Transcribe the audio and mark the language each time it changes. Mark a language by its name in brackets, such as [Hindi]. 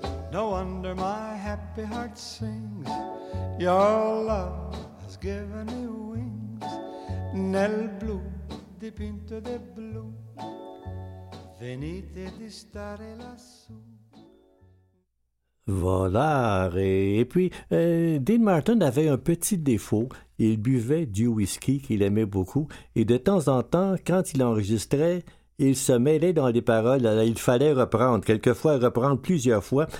[English] No wonder my happy heart sings, your love has given me wings. [Italian] Nel blu dipinto di blu, venite di stare lassù. [French] Voilà, et puis Dean Martin avait un petit défaut. Il buvait du whisky qu'il aimait beaucoup, et de temps en temps, quand il enregistrait, il se mêlait dans les paroles. Il fallait reprendre, quelquefois reprendre plusieurs fois.